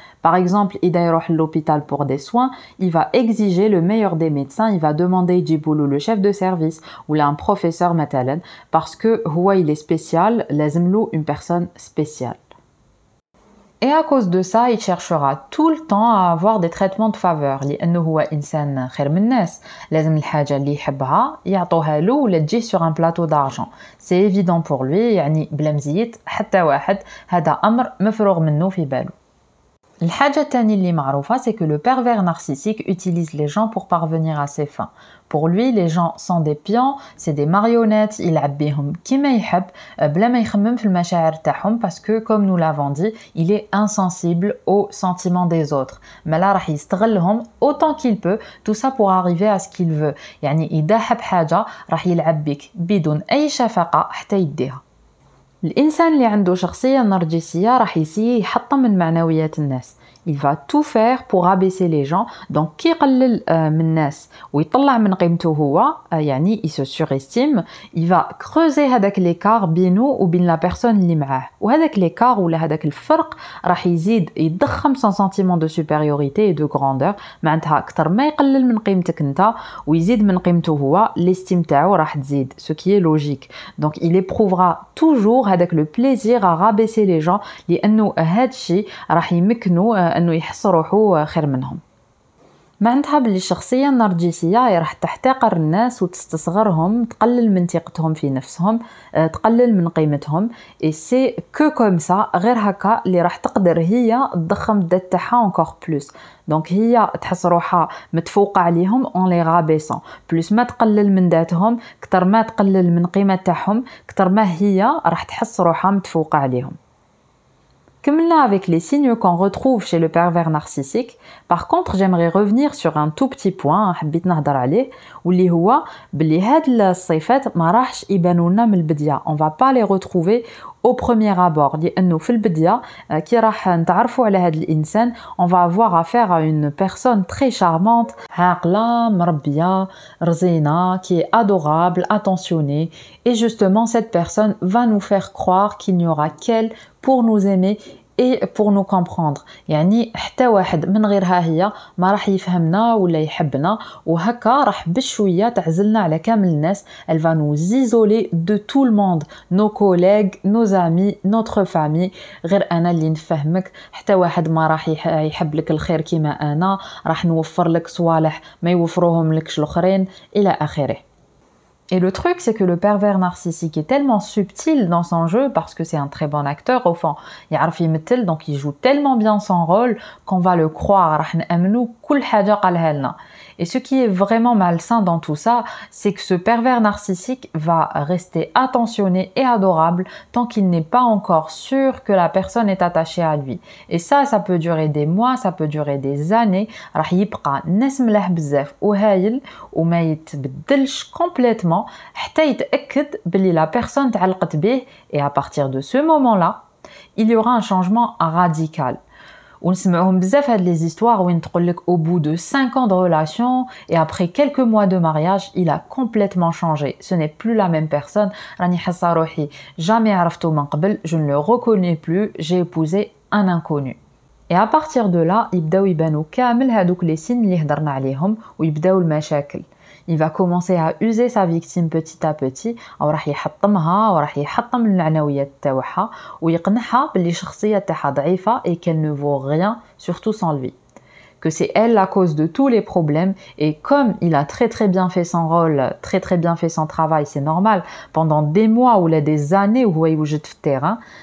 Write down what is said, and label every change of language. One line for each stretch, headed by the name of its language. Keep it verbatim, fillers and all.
French: Par exemple,
Arabic: إذا يروح
French: l'hôpital pour des soins, il va exiger le meilleur des médecins, il va demander
Arabic: يجيبولو
French: le chef de service ou là un professeur
Arabic: مثلا
French: parce que
Arabic: هو
French: il est spécial,
Arabic: لازملو
French: une personne spéciale. Et à cause de ça, il cherchera tout le temps à avoir des traitements de faveur.
Arabic: لأنه هو إنسان خير من الناس. لازم الحاجة اللي يحبها يعطوها له ولا تجي
French: sur un plateau d'argent.
Arabic: C'est évident pour lui. يعني بلا مزيت حتى واحد. هذا أمر مفروغ منه في باله. الحاجة الثانية اللي معروفة
French: c'est que le pervers narcissique utilise les gens pour parvenir à ses fins. Pour lui, les gens sont des pions, c'est des marionnettes, il abîme comme il veut,
Arabic: bla ma يخمم في المشاعر تاعهم
French: parce que comme nous l'avons dit, il est insensible aux sentiments des autres.
Arabic: ما لا راح يستغلهم
French: autant qu'il peut, tout ça pour arriver à ce qu'il veut.
Arabic: يعني إذا حب حاجة راح يلعب بك بدون أي شفقة حتى يديها. الإنسان اللي عنده شخصية نرجسية راح يسيي يحطم من معنويات الناس.
French: Il va tout faire pour abaisser les gens.
Arabic: Donc كي يقلل من الناس ويطلع من قيمته هو يعني
French: il se surestime. Il va creuser
Arabic: هذاك
French: l'écart
Arabic: بينه وبين
French: la personne
Arabic: اللي معاه. وهذاك l'écart ولا هذاك الفرق راح يزيد يضخم
French: son sentiment de supériorité et de grandeur.
Arabic: معناتها أكثر ما يقلل من قيمتك أنت ويزيد من قيمته هو l'estime تاعو راح تزيد.
French: Ce qui est logique. Donc il éprouvera toujours
Arabic: هذاك
French: le plaisir à rabaisser les gens
Arabic: لأنه هاد الشيء راح يمكنه أنه يحس روحه خير منهم. معناتها باللي الشخصية النرجسية راح تحتقر الناس وتستصغرهم، تقلل من ثقتهم في نفسهم، تقلل من قيمتهم.
French: et c'est que comme ça
Arabic: غير هكا اللي راح تقدر هي تضخم الذات تاعها
French: encore plus.
Arabic: donc هي تحس روحها متفوقة عليهم
French: en les rabaissant.
Arabic: plus ما تقلل من ذاتهم كتر ما تقلل من قيمة تاعهم كتر ما هي راح تحس روحها متفوقة عليهم.
French: Comme là avec les signes qu'on retrouve chez le pervers narcissique. Par contre, j'aimerais revenir sur un tout petit point
Arabic: حبيت نهضر عليه واللي هو بلي هاد الصفات ما راحش يبانوا لنا من البداية.
French: On va pas les retrouver au premier abord
Arabic: لأنه في البداية كي راح نتعرفوا على هاد الإنسان
French: on va avoir affaire à une personne très charmante,
Arabic: عاقلة مربية رزينة
French: qui est adorable, attentionnée. Et justement cette personne va nous faire croire qu'il n'y aura qu'elle pour nous aimer et pour nous comprendre.
Arabic: يعني حتى واحد من غيرها هي ما راح يفهمنا ولا يحبنا وهكا راح بشوية تعزلنا على كامل الناس.
French: Elle va nous isoler de tout le monde, nos collègues, nos amis, notre famille.
Arabic: غير أنا اللي نفهمك. حتى واحد ما راح يحب لك الخير كما أنا. راح نوفر لك صوالح ما يوفروهم لكش الآخرين إلى آخره.
French: Et le truc, c'est que le pervers narcissique est tellement subtil dans son jeu, parce que c'est un très bon acteur, au fond,
Arabic: يعرف يمثل,
French: donc il joue tellement bien son rôle qu'on va le croire,
Arabic: راح نأمنو كل حاجة قالها لنا.
French: Et ce qui est vraiment malsain dans tout ça, c'est que ce pervers narcissique va rester attentionné et adorable tant qu'il n'est pas encore sûr que la personne est attachée à lui. Et ça, ça peut durer des mois, ça peut durer des années.
Arabic: راح يبقى ناس ملاح بزاف وهايل وما يتبدلش complètement حتى يتأكد باللي la personne تعلقت به.
French: Et à partir de ce moment-là, il y aura un changement radical.
Arabic: ونسمعهم بزاف هاد
French: les histoires
Arabic: وين تقولك
French: au bout de cinq ans de relation et après quelques mois de mariage il a complètement changé. Ce n'est plus la même personne.
Arabic: راني حاسة روحي jamais عرفته من قبل.
French: Je ne le reconnais plus. J'ai épousé un inconnu. Et à partir de là
Arabic: يبداو يبانو كامل هادوك les signes اللي هضرنا عليهم ويبداو المشاكل.
French: il va commencer à user sa victime petit à petit
Arabic: وراح يحطمها وراح يحطم المعنويات تاعها ويقنعها باللي الشخصيه تاعها ضعيفه
French: et qu'elle ne vaut rien surtout sans lui. Que c'est elle la cause de tous les problèmes et comme il a très très bien fait son rôle, très très bien fait son travail, c'est normal, pendant des mois ou des années où il est sur le terrain,